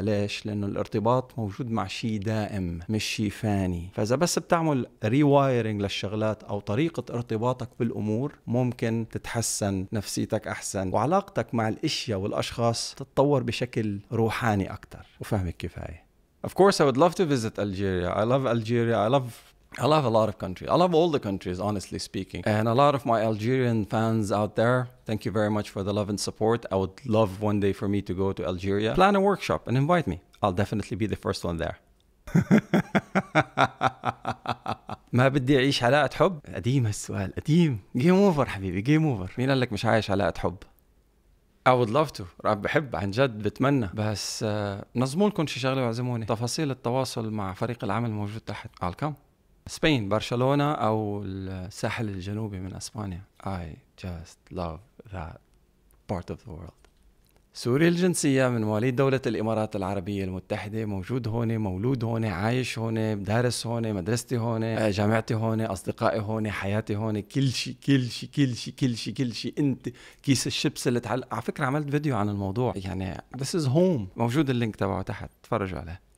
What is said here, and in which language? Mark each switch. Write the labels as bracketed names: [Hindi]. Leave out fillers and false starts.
[Arabic] ليش؟ لأنه الارتباط موجود مع شيء دائم مش شيء فاني. فإذا بس بتعمل ريوايرينج للشغلات أو طريقة ارتباطك بالأمور ممكن تتحسن نفسيتك أحسن وعلاقتك مع الأشياء والأشخاص تتطور بشكل روحاني أكتر. وفهمك كفاية. [English] Of course I would love to visit Algeria. I love Algeria. I love a lot of countries. I love all the countries honestly speaking. And a lot of my Algerian fans out there, thank you very much for the love and support. I would love one day for me to go to Algeria. Plan a workshop and invite me. I'll definitely be the first one there. [Arabic] ما بدي أعيش علاقة حب؟ قديم السؤال. قديم. [English] Game over [Arabic] حبيبي. [English] Game over. [Arabic] مين قال لك مش عايش علاقة حب؟ [English] I would love to. [Arabic] رأب بحب عن جد بتمنى. بس نظمولكم شي شغلة وعزموني. تفاصيل التواصل مع فريق العمل موجود تحت. [English] I'll come. Spain, Barcelona [Arabic] أو الساحل الجنوبي من أسبانيا. [English] I just love that part of the world. [Arabic] سوري الجنسية من مواليد دولة الإمارات العربية المتحدة، موجود هون، مولود هون، عايش هون، دارس هون، مدرستي هون، جامعتي هون، أصدقائي هون، حياتي هون، كل شيء كل شيء كل شيء كل شيء كل شيء. أنت كيس الشيبس اللي تعلق. على فكرة عملت فيديو عن الموضوع، يعني [English] this is home، [Arabic] موجود اللينك تبعه تحت، تفرجوا عليه.